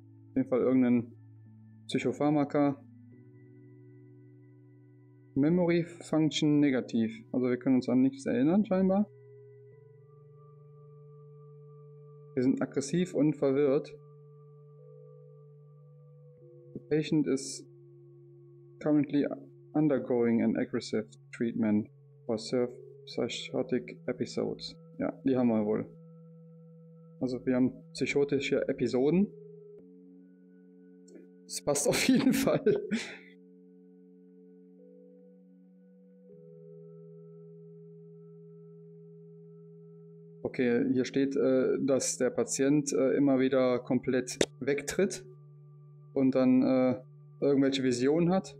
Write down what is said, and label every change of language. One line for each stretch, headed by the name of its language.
German: Auf jeden Fall irgendein Psychopharmaka. Memory Function negativ. Also wir können uns an nichts erinnern scheinbar. Wir sind aggressiv und verwirrt.
English: The patient is currently undergoing an aggressive treatment for severe psychotic episodes.
German: Ja, die haben wir wohl. Also wir haben psychotische Episoden. Das passt auf jeden Fall. Okay, hier steht, dass der Patient immer wieder komplett wegtritt und dann irgendwelche Visionen hat.